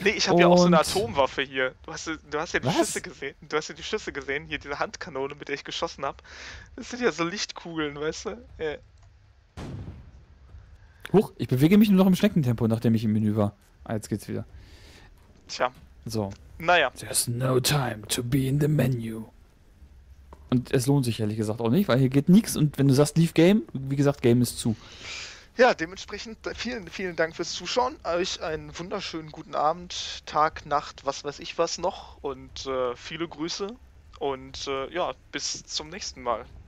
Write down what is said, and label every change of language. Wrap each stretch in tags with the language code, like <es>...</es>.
<de>Nee, ich habe ja auch so eine und. Atomwaffe hier. Du hast ja die Schüsse Was? gesehen. Du hast ja die Schüsse gesehen, hier diese Handkanone, mit der ich geschossen habe. Das sind ja so Lichtkugeln, weißt du? Huch, ich bewege mich nur noch im Schneckentempo, nachdem ich im Menü war. Ah, jetzt geht's wieder. Tja. So. Naja.</de> <en>There's no time to be in the menu.</en> <de>Und es lohnt sich ehrlich gesagt auch nicht, weil hier geht nichts und wenn du sagst Leave Game, wie gesagt, Game ist zu. Ja, dementsprechend vielen, vielen Dank fürs Zuschauen. Euch einen wunderschönen guten Abend, Tag, Nacht, was weiß ich was noch. Und viele Grüße. Und ja, bis zum nächsten Mal.</de>